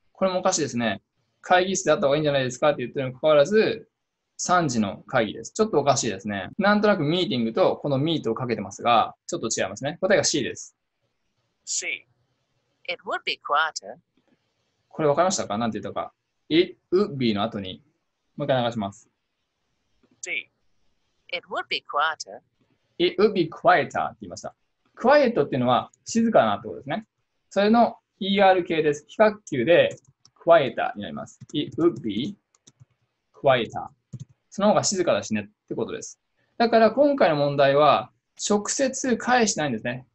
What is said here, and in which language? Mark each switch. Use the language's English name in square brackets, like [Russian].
[Japanese] これもおかしいですね。会議室であった方がいいんじゃないですかって言ってるにもかかわらず、3時の会議です。ちょっとおかしいですね。なんとなくミーティングとこのミートをかけてますが、ちょっと違いますね。答えが C です。 [English] C。 It would be quieter。 [Japanese] これ分かりましたか？なんて言ったか。 [English] It would be [Japanese] の後に、もう一回流します。 [English] C。 It would be quieter。 It would be quieter [Japanese] って言いました。 Quiet っていうのは静かなってことですね。それの ER 系です。比較級で、quieter になります。 [English] It would be quieter。 [Japanese] その方が静かだしねってことです。だから今回の問題は直接返してないんですね。